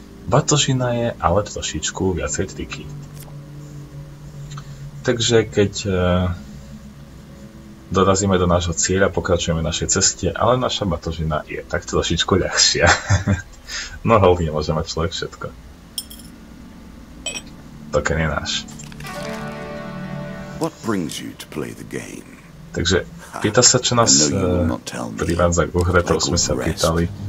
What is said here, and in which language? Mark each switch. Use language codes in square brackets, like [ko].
[sk] Batožina je ale trošičku viacej triky. Takže keď dorazíme do nášho cieľa, pokračujeme našej ceste, ale naša batožina je tak trošičku ľahšia. No hlavne môže mať človek všetko. Token je náš. [en] What brings you to play the game? [sk] Takže pýta sa, čo nás privádza k uhre, to sme sa pýtali.